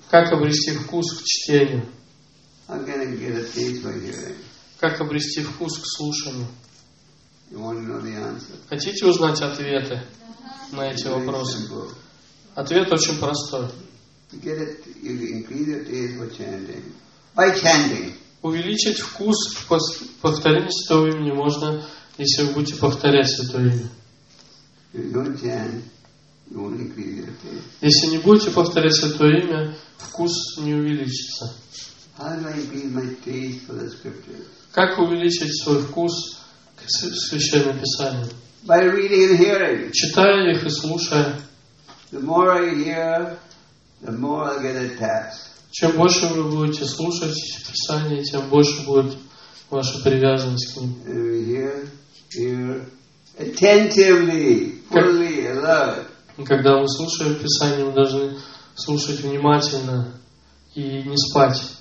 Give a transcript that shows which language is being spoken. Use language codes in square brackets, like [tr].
[ru] Как обрести вкус к чтению? [en] How can I get a taste for hearing? [ru] Как обрести вкус к слушанию? [en] You want to know the answer? [ru] Хотите узнать ответы на эти вопросы? [en] Very simple. [ru] Ответ очень простой. [en] To get it, you increase your taste for chanting. By chanting. [ru] Увеличить вкус к повторению Святого имени можно, если вы будете повторять Святое имя. [en] You don't chant. You won't increase your taste. [ru] Если не будете повторять Святое имя, вкус не увеличится. [en] How do I increase my taste for the scriptures? [ru] Как увеличить свой вкус к Священному Писанию? [en] By reading and hearing. [ru] Читая их и слушая. [en] The more I hear, the more I get attached. [ru] Чем больше вы будете слушать Писание, тем больше будет ваша привязанность к ним. [en] And we hear, attentively, fully, alert. [ru] Когда мы слушаем Писание, мы должны слушать внимательно и не спать.